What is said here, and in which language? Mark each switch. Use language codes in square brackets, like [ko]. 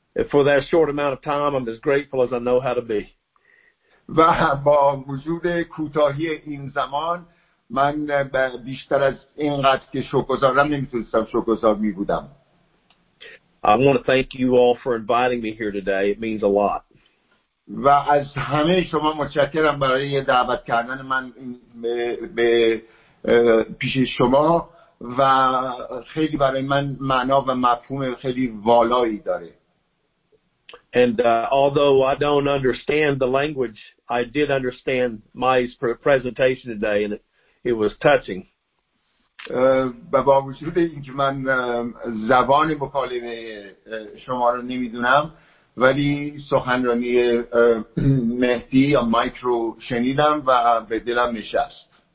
[en] For that short amount of time, I'm as grateful as I know how to be. [fa] و با وجود کوتاهی این زمان، من بیشتر از اینقدر که شکرگزارم نمیتونستم شکرگزار می بودم. [en] I want to thank you all for inviting me here today. It means a lot. [fa] و از همه شما متشکرم برای دعوت کردن من به پیش شما، و خیلی برای من معنا و مفهوم خیلی والایی داره. [en] And although I don't understand the language, I did understand Mai's presentation today, and it was touching. [fa] با وجود اینکه من زبان مکالمه شما رو نمیدونم، ولی سخنرانی مهدی یا مایک رو شنیدم و به دلم نشست.